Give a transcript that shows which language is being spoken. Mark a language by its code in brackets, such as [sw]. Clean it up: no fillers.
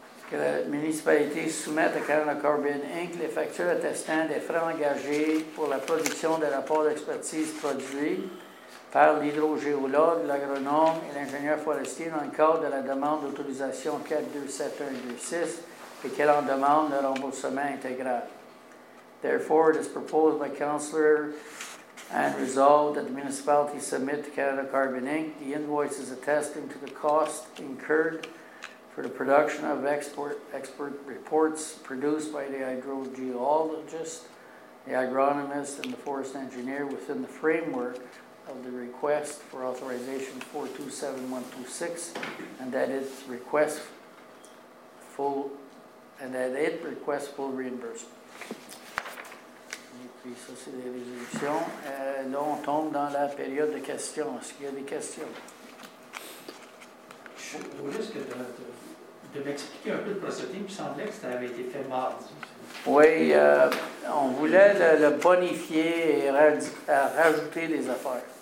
[fr] Que la municipalité soumette à Canada Carbon Inc. les factures attestant des frais engagés pour la production des rapports d'expertise produits par l'hydrogéologue, l'agronome et l'ingénieur forestier dans le cadre de la demande d'autorisation 427126 et qu'elle en demande le remboursement intégral. [en] Therefore, it is proposed by Councillor and resolved that the municipality submit to Canada Carbon Inc. the invoices attesting to the cost incurred for the production of expert reports produced by the hydrogeologist, the agronomist, and the forest engineer within the framework of the request for authorization 427126, and that it requests full reimbursement. [fr] Et puis ça c'est les résolutions. Là on tombe dans la période de questions. Est-ce qu'il y a des questions? Je voulais juste que de m'expliquer un peu le procédé. Il me semblait que ça avait été fait mardi. Oui, on voulait le bonifier et rajouter des affaires.